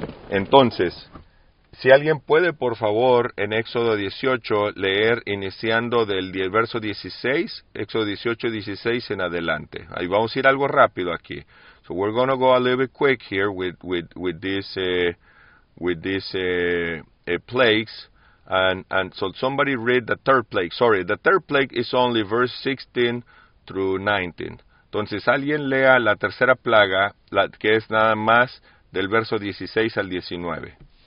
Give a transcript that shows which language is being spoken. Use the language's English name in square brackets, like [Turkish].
[Spanish] Entonces, si alguien puede, por favor, en Éxodo 18, leer iniciando del verso 16, Éxodo 18, 16 en adelante. Ahí vamos a ir algo rápido aquí. [English] So we're going to go a little bit quick here with these plagues. And so somebody read the third plague. Sorry, the third plague is only verse 16 through 19. [Spanish] Entonces, alguien lea la tercera plaga, que es nada más del verso 16 al 19.